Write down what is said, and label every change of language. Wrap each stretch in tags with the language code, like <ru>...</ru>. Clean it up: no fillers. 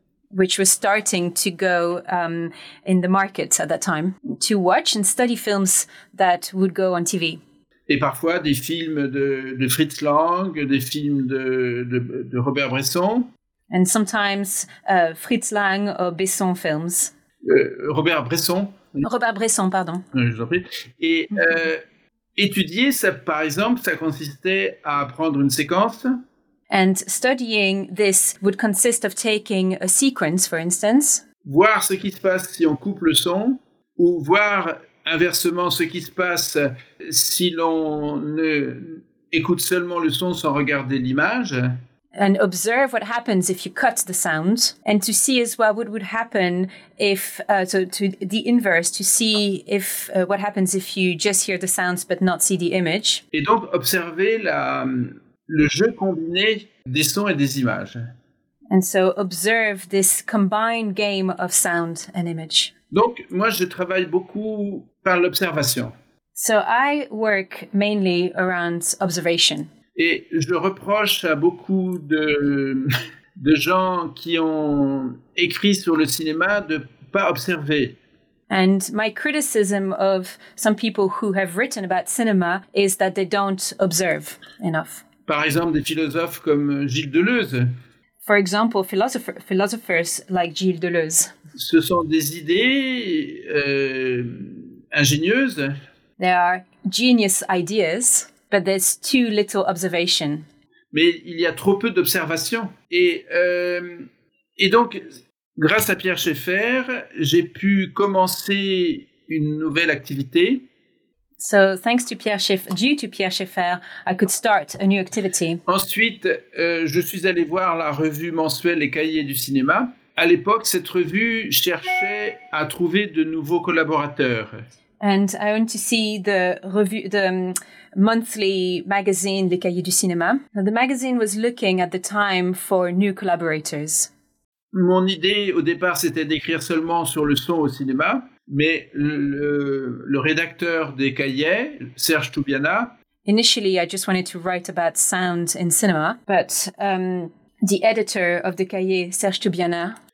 <en>Which was starting to go in the market at that time, to watch and study films that would go on TV.</en> <fr>Et parfois des films de Fritz Lang, des films de Robert Bresson.</fr> <en>And sometimes Fritz Lang or Besson films. Robert Bresson.</en> <fr>Robert Bresson, pardon. Je vous en prie. Et étudier, ça, par exemple, ça consistait à prendre une séquence.</fr> <en>And studying this would consist of taking a sequence, for instance.</en> <fr>Voir ce qui se passe si on coupe le son, ou voir inversement ce qui se passe si l'on écoute seulement le son sans regarder l'image.</fr> <en>and observe what happens if you cut the sound, and to see as well what would happen if, what happens if you just hear the sounds but not see the image.</en> <fr>Et donc, observer le jeu combiné des sons et des images.</fr> <en>And so observe this combined game of sound and image.</en> <fr>Donc, moi, je travaille beaucoup par l'observation.</fr> <en>So I work mainly around observation.</en> <fr>Et je reproche à beaucoup de gens qui ont écrit sur le cinéma de pas observer.</fr> <en>And my criticism of some people who have written about cinema is that they don't observe enough.</en> <fr>Par exemple, des philosophes comme Gilles Deleuze.</fr> <en>For example, philosophers like Gilles Deleuze.</en> <fr>Ce sont des idées ingénieuses.</fr> <en>They are genius ideas. But there's too little observation.</en> <fr>Mais il y a trop peu d'observations. Et donc, grâce à Pierre Schaeffer, j'ai pu commencer une nouvelle activité.</fr> <en>So, thanks to Pierre Schaeffer, due to Pierre Schaeffer, I could start a new activity.</en> <fr>Ensuite, je suis allé voir la revue mensuelle Les Cahiers du Cinéma. À l'époque, cette revue cherchait à trouver de nouveaux collaborateurs.</fr> <en>And I went to see the review, the monthly magazine, Les Cahiers du Cinéma. The magazine was looking at the time for new collaborators.</en> <fr>Mon idée au départ, c'était d'écrire seulement sur le son au cinéma, mais le rédacteur des cahiers, Serge Toubiana.</fr> <en>Initially, I just wanted to write about sound in cinema, but the editor of the cahiers, Serge Toubiana,</en>